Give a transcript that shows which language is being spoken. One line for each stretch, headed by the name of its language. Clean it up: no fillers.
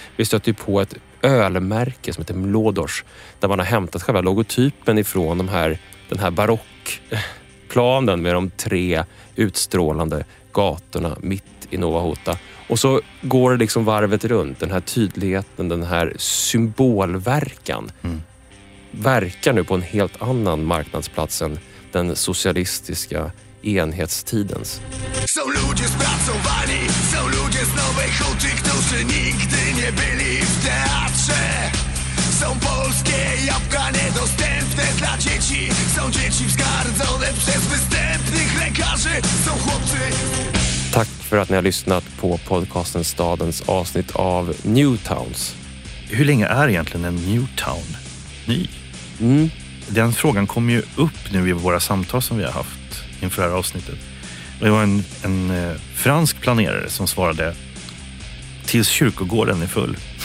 Swedish: Vi stöter ju på ett ölmärke som heter Mlodors, där man har hämtat själva logotypen ifrån den här barockplanen med de tre utstrålande gatorna mitt i Nova Huta. Och så går det liksom varvet runt, den här tydligheten, den här symbolverkan verkar nu på en helt annan marknadsplats än den socialistiska enhetstidens.
Polish: Są ludzie spracowani, są ludzie z Nowej Huty, którzy nigdy nie byli w teatrze. Są polskie jabłka niedostępne dla dzieci, są dzieci wskardzone przez występnych lekarzy, są chłopcy.
Swedish: Tack för att ni har lyssnat på podcasten Stadens avsnitt av New Towns. Hur länge är egentligen en New Town ny? Den frågan kom ju upp nu i våra samtal som vi har haft inför det här avsnittet. Det var en fransk planerare som svarade tills kyrkogården är full.